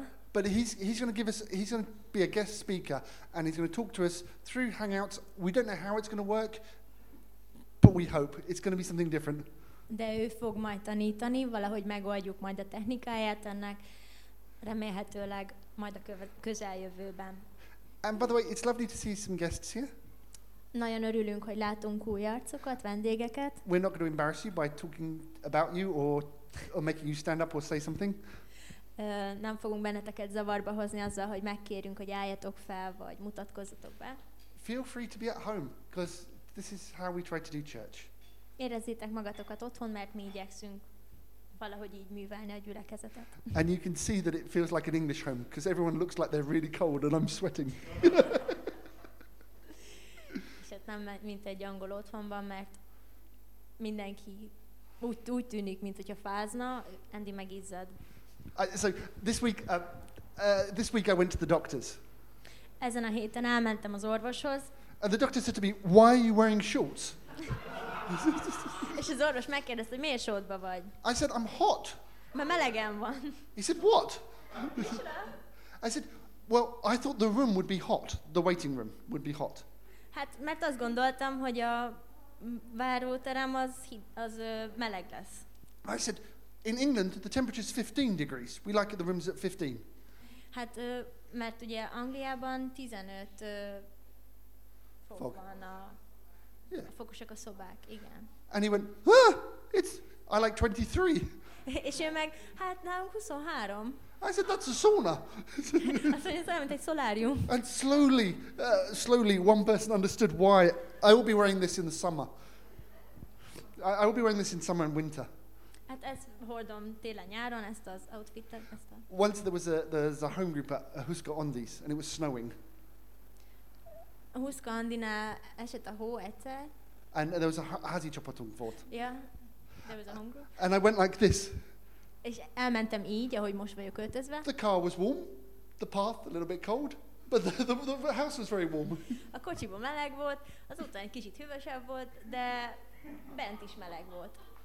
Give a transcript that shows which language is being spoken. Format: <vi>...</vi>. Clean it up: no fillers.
<en>But he's going to be a guest speaker, and he's going to talk to us through Hangouts. We don't know how it's going to work, but we hope it's going to be something different.</en> <hu>De ő fog majd tanítani, valahogy megoldjuk majd a technikáját ennek, remélhetőleg majd a közeljövőben.</hu> <en>And by the way, it's lovely to see some guests here.</en> <hu>Nagyon örülünk, hogy látunk új arcokat, vendégeket.</hu> <en>We're not going to embarrass you by talking about you or making you stand up or say something.</en> <hu>Nem fogunk benneteket zavarba hozni azzal, hogy megkérünk, hogy álljatok fel, vagy mutatkozzatok be.</hu> <en>Feel free to be at home, because this is how we try to do church.</en> <hu>Érezzétek magatokat otthon, mert mi igyekszünk valahogy így művelni a gyülekezetet.</hu> <en>And you can see that it feels like an English home, because everyone looks like they're really cold and I'm sweating.</en> <hu>És hát nem mint egy angol otthonban, mert mindenki úgy tűnik, mint hogyha fázna, Andy meg izzad.</hu> <en>So this week I went to the doctors.</en> <hu>Ezen a héten elmentem az orvoshoz.</hu> <en>And the doctor said to me, "Why are you wearing shorts?"</en> <hu>És az orvos megkérdezte, hogy miért shortba vagy.</hu> <en>I said, "I'm hot."</en> <hu>Mert melegen van.</hu> <en>He said, "What?" I said, "Well, I thought the room would be hot. The waiting room would be hot."</en> <hu>Hát, mert azt gondoltam, hogy a váróterem az meleg lesz.</hu> <en>I said, "In England, the temperature is 15 degrees. We like the rooms at 15."</en> <hu>Hát, mert ugye Angliában 15 fok van a fokosak a szobák, igen.</hu> <en>And he went, I like 23."</en> <hu>És ő meg, hát nem, 23.</hu> <en>I said, "That's a sauna."</en> <hu>Azt mondja, ez olyan, mint egy szolárium.</hu> <en>And slowly, one person understood why. I will be wearing this in the summer. I will be wearing this in summer and winter.</en> <hu>Hát ezt hordom télen-nyáron, ezt az outfitet,</hu> <en>Once there was a home group at Huska Andis, and it was snowing.</en> <hu>Huska Andina esett a hó egyszer.</hu> <en>And there was a</en> <hu>házi csapatunk volt.</hu> <en>Yeah, there was a home group. And I went like this.</en> <hu>És elmentem így, ahogy most vagyok öltözve.</hu> <en>The car was warm, the path a little bit cold, but the house was very warm.</en> <hu>A kocsiban meleg volt, az utca egy kicsit hűvösebb volt, de bent is meleg volt.</hu>